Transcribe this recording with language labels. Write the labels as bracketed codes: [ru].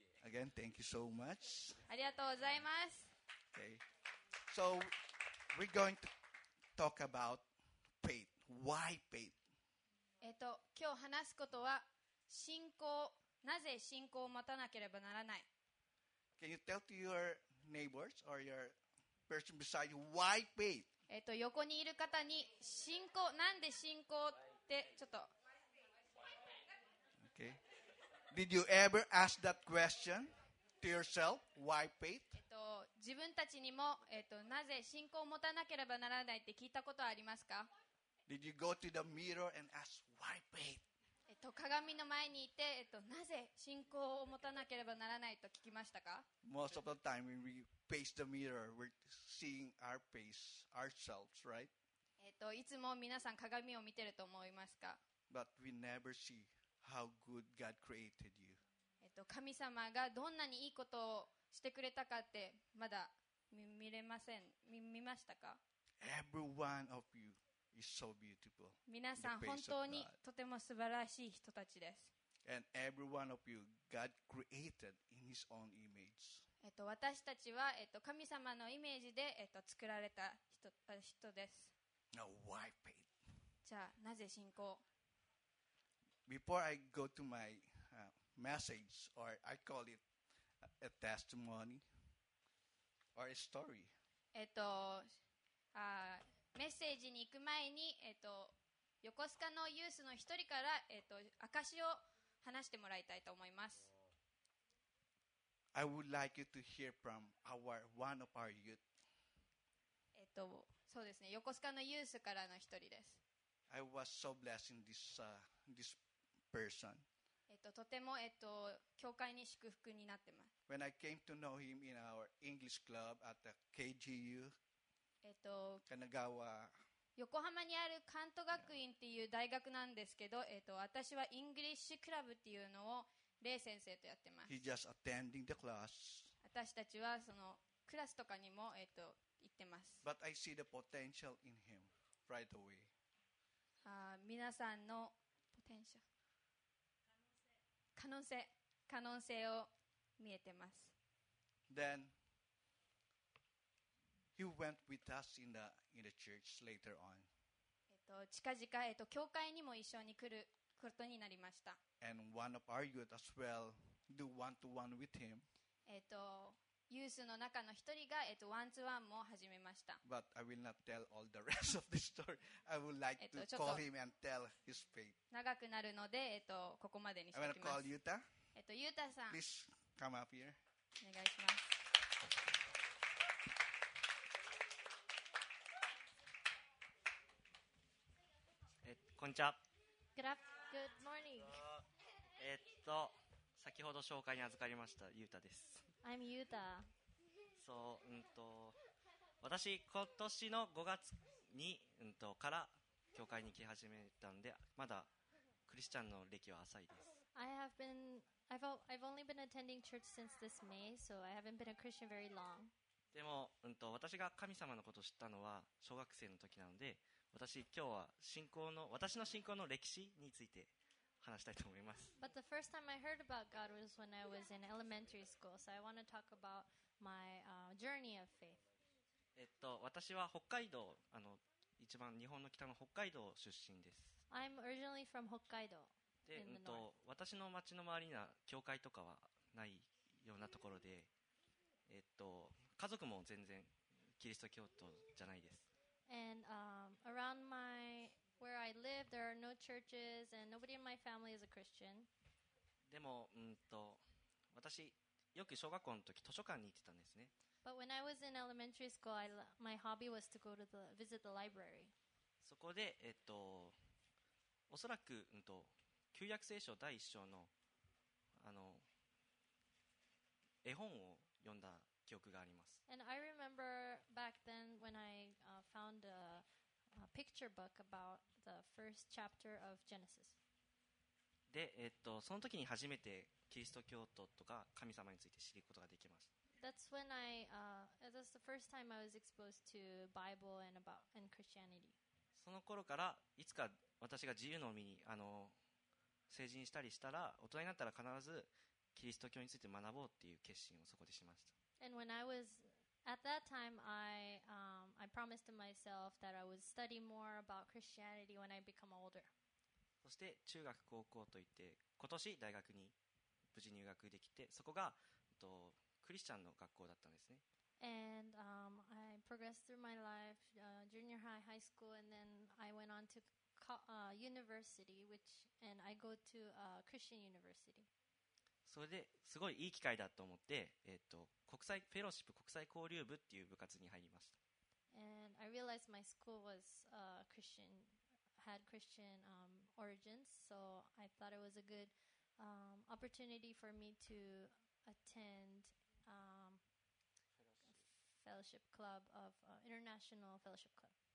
[en] Again, thank you so much. [ja] ありがとうございます。 [en] Okay. So we're going to talk about faith. Why faith? [ja] 今日話すことは信仰。なぜ信仰を持たなければならない。 [en] Can you tell to your neighbors or your person beside you why faith? [ja] 横にいる方に信仰。なんで信仰ってちょっと。 [en] Okay. Did you ever ask that question? Yourself, why faith? [ja] 自分たちにも、なぜ信仰を持たなければならないって聞いたことはありますか？ [en] Did you go to the mirror and ask why faith? [ja] 鏡の前にいて、なぜ信仰を持たなければならないと聞きましたか？ [en] Most of the time when we face the mirror, we're seeing our face, ourselves, right? [ja] いつも皆さん鏡を見てると思いますか？ [en] But we never see how good God created you. [ja] 神様がどんなにいいことをしてくれたかってまだ 見れません。見ましたか？ [en] Every one of you is so beautiful. [ja] 皆さん本当にとても素晴らしい人たちです。 [en] And every one of you God created in his own image. [ja] 私たちは、神様のイメージで、作られた 人です。 [en] Now why faith? [ja] じゃあなぜ信仰？ [en] Before I go to myMessage, or I call it a testimony or a story. [ja] メッセージに行く前に、横須賀のユースの一人から、証を話してもらいたいと思います。 [en] I would like you to hear from one of our youth. [ja] そうですね、横須賀のユースからの一人です。 [en] I was so blessed in this person. [ja] とても、教会に祝福になってます。 [en] When I came to know him in our English club at the KGU, 神奈川、 [ja] 横浜にある関東学院っていう大学なんですけど、私はイングリッシュクラブっていうのをレイ先生とやってます。 [en] He just attending the class. [ja] 私たちはそのクラスとかにも、行ってます。 [en] But I see the potential in him right away. [ja] 皆さんのポテンシャル。可能性を見えてます。 [en] Then he went with us in the church later on. [ja] 近々、教会にも一緒に来ることになりました。 [en] And one of our youth as well do one to one with him. [ja] ユースの中の一人が、ワンツワンも始めました。 [en] But I will not tell all the rest of the story. I would like to call him and tell his faith. [ja] 長くなるので、ここまでにしておきます。 [en] I'm gonna call Yuta. [ja] Yuta さん。 [en] Please come up here. [ja] お願いします。こんにちは。 [en] Good morning. [ja] 先ほど紹介に預かりましたユータです。 [en] I'm Yuta. [ja] そう、私今年の5月に、から教会に来始めたんで、まだクリスチャンの歴は浅いです。 [en] I've only been attending church since this May, so I haven't been a Christian very long. [ja] でも、私が神様のことを知ったのは小学生の時なので、私今日は信仰の私の信仰の歴史について。話したいと思います。 [en] But the first time I heard about God was when I was in elementary school, so I want to talk about my journey of faith. [ja] 私は北海道、一番日本の北の北海道出身です。 [en] I'm originally from Hokkaido. [ja] で、私の町の周りには教会とかはないようなところで、家族も全然キリスト教徒じゃないです。 [en] And around myWhere I live, there are no churches, and nobody in my family is a Christian. [ja] でも、私よく小学校の時図書館に行ってたんですね。 [en] But when I was in elementary school, my hobby was to go to the visit the library. [ja] そこで、おそらく、旧約聖書第1章の、絵本を読んだ記憶があります。 [en] And I remember back then when I found a picture book about the first chapter of Genesis. [ja] で、その時に初めてキリスト教徒とか神様について知ることができます。 [en] That's when I, that's the first time I was exposed to Bible and about and Christianity. [ja] その頃からいつか私が自由の身に成人したりしたら、大人になったら必ずキリスト教について学ぼうっていう決心をそこでしました。 [en] And when I wasAt that time, I promised to myself that I would study more about Christianity when I become older. [ja] そして中学高校といって、今年大学に無事入学できて、そこがクリスチャンの学校だったんですね。 [en] And I progressed through my life, junior high, high school, and then I went on to university, and I go to a Christian university. [ja] それですごいいい機会だと思って、国際フェローシップ国際交流部っていう部活に入りました。 [en] And I realized my school was Christian, had Christian origins, so I thought it was a good opportunity for me to attend fellowship club of international fellowship club.